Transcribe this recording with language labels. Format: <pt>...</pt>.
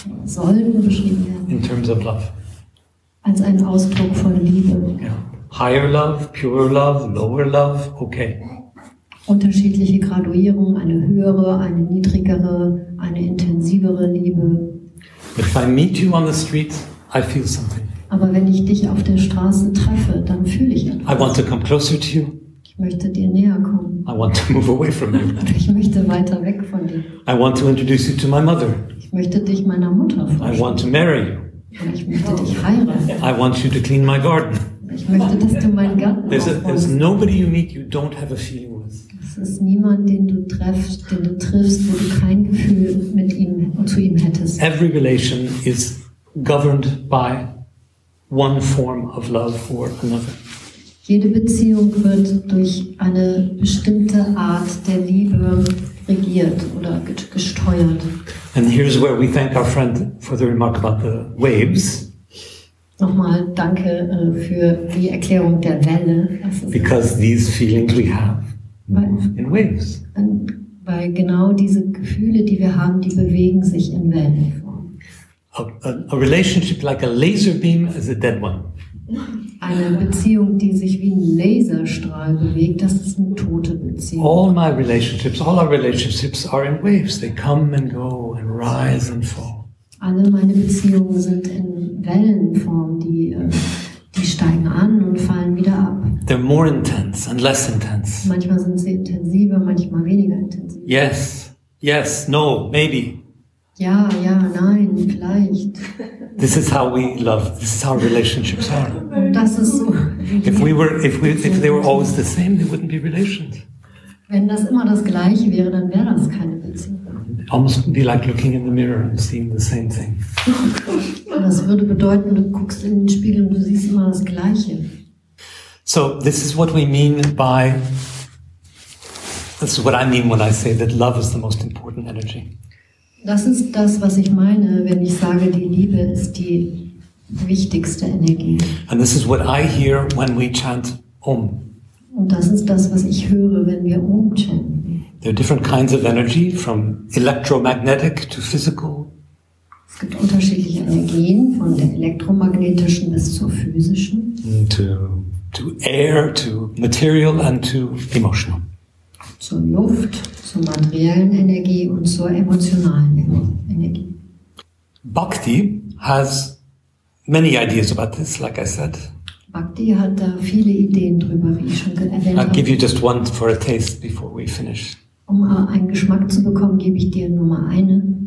<de>sollen beschrieben werden,</de> <en>in terms of love,</en> <de>als ein Ausdruck von Liebe.</de> <en>Yeah. Higher love, pure love, lower love, okay.</en> <de>Unterschiedliche Graduierungen, eine höhere, eine niedrigere, eine intensivere Liebe.</de> <en>If I meet you on the street, I feel something.</en> <de>Aber wenn ich dich auf der Straße treffe, dann fühle ich etwas.</de> <en>I want to come closer to you.</en> <de>Ich möchte dir näher kommen.</de> <en>I want to move away from you.</en> <de>Ich möchte weiter weg von dir.</de> <en>I want to introduce you to my mother.</en> <de>Ich möchte dich meiner Mutter vorstellen.</de> <en>I want to marry you.</en> <de>Und ich möchte dich heiraten.</de> <en>I want you to clean my garden.</en> <de>Ich möchte, dass du meinen Garten aufräumst.</de> <en>There's nobody you meet you don't have a feeling with.</en> <de>Es ist niemand, den du triffst, wo du kein Gefühl mit ihm zu ihm hättest.</de> <en>Every relation is governed by one form of love for another.</en> <de>Jede Beziehung wird durch eine bestimmte Art der Liebe regiert oder gesteuert.</de> <en>And here's where we thank our friend for the remark about the waves.</en> <de>Nochmal danke für die Erklärung der Welle.</de> <en>Because these feelings we have move in waves.</en> <de>Weil genau diese Gefühle, die wir haben, die bewegen sich in Wellen.</de> <en>A relationship like a laser beam is a dead one.</en> <de>Eine Beziehung, die sich wie ein Laserstrahl bewegt, das ist eine tote Beziehung.</de> <en>All my relationships, all our relationships are in waves. They come and go and rise and fall.</en> <de>Alle meine Beziehungen sind in Wellenform, die steigen an und fallen wieder ab.</de> <en>They're more intense and less intense.</en> <de>Manchmal sind sie intensiver, manchmal weniger intensiv.</de> <en>Yes, yes, no, maybe.</en> <de>Ja, ja, nein, vielleicht.</de> <en>This is how we love. This is how relationships are.</en> <de>Das ist so.</de> <en>If they were always the same, they wouldn't be relations.</en> <de>Wenn das immer das Gleiche wäre, dann wäre das keine Beziehung.</de> <en>It almost would be like looking in the mirror and seeing the same thing.</en> <de>Das würde bedeuten, du guckst in den Spiegel und du siehst immer das Gleiche.</de> <en>So this is what we mean by. This is what I mean when I say that love is the most important energy.</en> <de>Das ist das, was ich meine, wenn ich sage, die Liebe ist die wichtigste Energie.</de> <en>And this is what I hear when we chant Om.</en> <de>Und das ist das, was ich höre, wenn wir Om chanten.</de> <en>There are different kinds of energy, from electromagnetic to physical.</en> <de>Es gibt unterschiedliche Energien, von der elektromagnetischen bis zur physischen.</de> <en>To air, to material and to emotional.</en> <de>Zur Luft, zur materiellen Energie und zur emotionalen Energie.</de> <en>Bhakti has many ideas about this, like I said.</en> <de>Bhakti hat da viele Ideen drüber, wie ich schon erwähnt habe.</de> <en>I'll give you just one for a taste before we finish.</en> <de>Um einen Geschmack zu bekommen, gebe ich dir nur mal eine.</de>